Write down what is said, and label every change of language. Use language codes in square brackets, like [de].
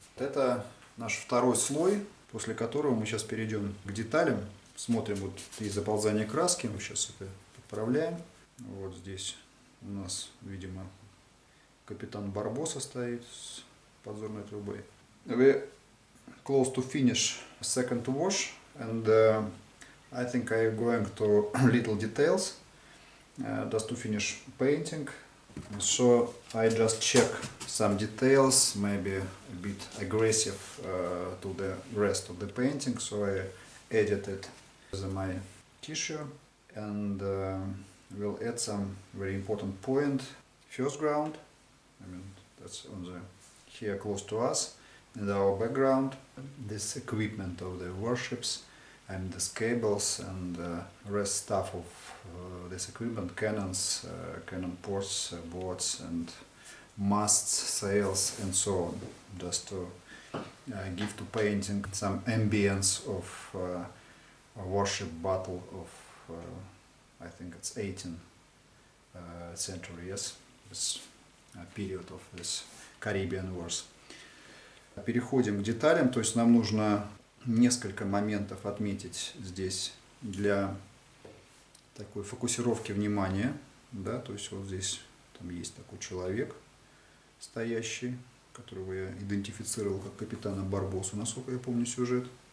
[ru] Это наш второй слой, после которого мы сейчас перейдем к деталям. Смотрим вот и заползание краски. Мы сейчас это поправляем. Вот здесь у нас, видимо, капитан Барбоса стоит с подзорной трубой. [en] We close to finish second wash, and I think I'm going to little details just to finish painting. So I just check some details, maybe a bit aggressive to the rest of the painting. So I edited my tissue and we'll add some very important point. First ground, I mean, that's on the here close to us, and our background, this equipment of the warships, and the cables and the rest stuff of this equipment, cannons, cannon ports, boards, and masts, sails, and so on, just to give to painting some ambience of a warship battle of I think it's 18th century, yes. this period of this Caribbean Wars. [ru] Переходим к деталям, то есть нам нужно несколько моментов отметить здесь для такой фокусировки внимания, да, то есть вот здесь там есть такой человек стоящий, которого я идентифицировал как капитана Барбоса, насколько я помню сюжет.